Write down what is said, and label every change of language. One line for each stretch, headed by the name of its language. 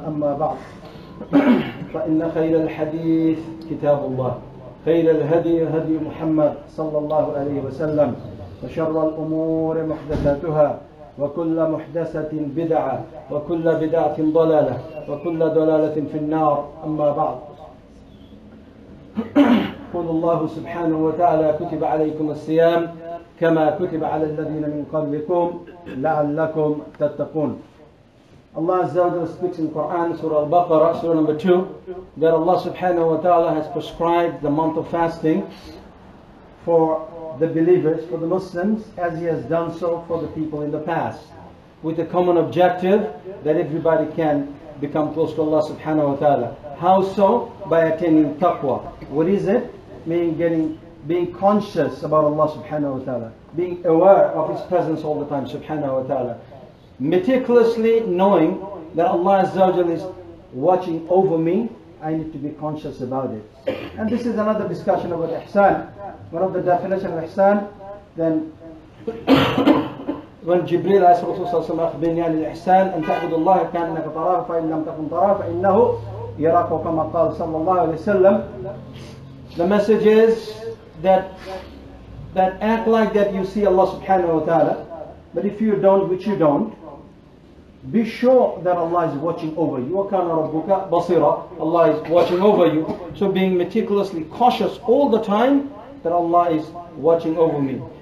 Arabic: أما بعد، فإن خير الحديث كتاب الله، خير الهدي هدي محمد صلى الله عليه وسلم، وشر الأمور محدثاتها، وكل محدثة بدعة، وكل بدعة ضلالة، وكل ضلالة في النار. أما بعد، قول الله سبحانه وتعالى: كتب عليكم الصيام كما كتب على الذين من قبلكم لعلكم تتقون.
English: Allah Azza wa Jalla speaks in Quran, Surah Al-Baqarah, Surah number 2, that Allah subhanahu wa ta'ala has prescribed the month of fasting for the believers, for the Muslims, as He has done so for the people in the past, with the common objective that everybody can become close to Allah subhanahu wa ta'ala. How so? By attaining taqwa. What is it? Meaning being conscious about Allah subhanahu wa ta'ala, being aware of His presence all the time, subhanahu wa ta'ala. Meticulously knowing that Allah Azza wa Jalla is watching over me, I need to be conscious about it. And this is another discussion about Ihsan. One of the definition of Ihsan, then when Jibreel asked Rasulullah
Arabic: صلى الله عليه وسلم أخبرني عن الإحسان أن تعبد الله كأنك تراه فإن لم تكن تراه فإنه يراك كما قال صلى الله عليه وسلم.
English: The message is that act like that you see Allah subhanahu wa ta'ala. But if you don't, which you don't, be sure that Allah is watching over you.
Arabic: وَكَانَ رَبُّكَ بَصِيرًا.
English: Allah is watching over you. So being meticulously cautious all the time that Allah is watching over me.